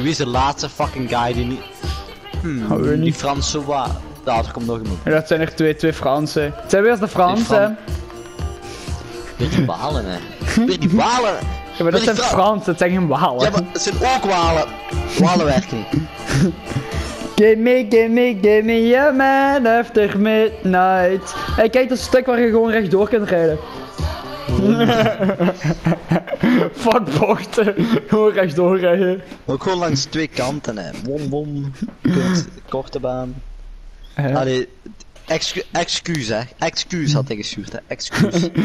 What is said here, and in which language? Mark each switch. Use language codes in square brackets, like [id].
[nl] Wie is de laatste [en] fucking guy [nl] die niet. Niet. Die Franse wat. Daar komt nog een. Dat zijn er twee Fransen. Het zijn weer als de Fransen. Weer die balen, hè. Weer die balen. Ja, maar dat zijn Fransen, dat zijn geen Walen. Ja, maar het zijn ook Walen. Walen werken. [en] Gimme a man after midnight. [nl] Hey, kijk, dat stuk waar je gewoon rechtdoor kunt rijden. Fuck bochten. Gewoon rechtdoor rijden. Ook gewoon langs twee kanten, hè. Wom. Korte baan. Allee, excuus had ik gestuurd, hè. Excuus.